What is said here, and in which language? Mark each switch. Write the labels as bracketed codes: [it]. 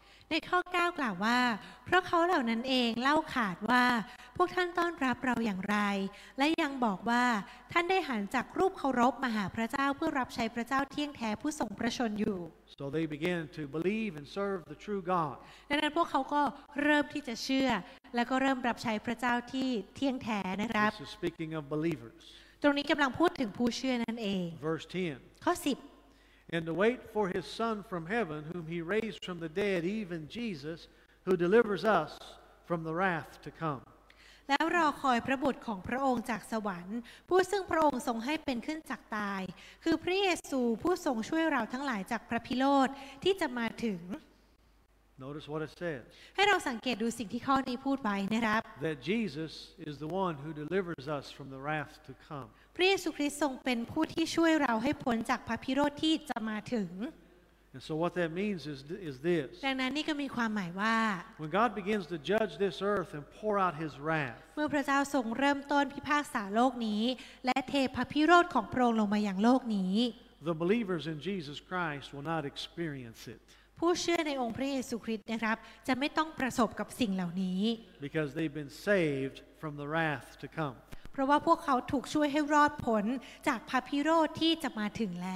[th] ในข้อ9กล่าวว่าเพราะเขาเหล่านั้นเองเล่าขานว่าพวกท่านต้อนรับเราอย่างไรและยังบอกว่าท่านได้หันจากรูปเคารพมาหาพระเจ้าเพื่อรับใช้พระเจ้าเที่ยงแท้ผู้ทรงพระชนอยู่ [en] So they began to believe and serve the true God. [th] ดังนั้นพวกเขาก็เริ่มที่จะเชื่อและก็เริ่มรับใช้พระเจ้าที่เที่ยงแท้นะครับ [en] This is speaking of believers. [th] ตรงนี้กำลังพูดถึงผู้เชื่อนั่นเอง [en] Verse 10. [th] ข้อ 10. [en] And to wait for His Son from heaven, whom He raised from the dead, even Jesus, who delivers us from the wrath to come. [th] แล้วรอคอยพระบุตรของพระองค์จากสวรรค์ผู้ซึ่งพระองค์ทรงให้เป็นขึ้นจากตายคือพระเยซูผู้ทรงช่วยเราทั้งหลายจากพระพิโรธที่จะมาถึง [en] Notice what it says. [th] ให้เราสังเกตดูสิ่งที่ข้อนี้พูดไว้นะครับ [en] That Jesus is the one who delivers us from the wrath to come. [th] พระเยซูคริสต์ทรงเป็นผู้ที่ช่วยเราให้พ้นจากพระพิโรธที่จะมาถึง [en] And so what that means is this. [th] ดังนั้นนี่ก็มีความหมายว่า [en] When God begins to judge this earth and pour out His wrath. [th] เมื่อพระเจ้าทรงเริ่มต้นพิพากษาโลกนี้และเทพระพิโรธของพระองค์ลงมายังโลกนี้ [en] The believers in Jesus Christ will not experience it. [th] ผู้เชื่อในองค์พระเยซูคริสต์นะครับจะไม่ต้องประสบกับสิ่งเหล่านี้ [en] Because they've been saved from the wrath to come. [th] เพราะว่าพวกเขาถูกช่วยให้รอดพ้นจากพระพิโรธที่จะมาถึงแล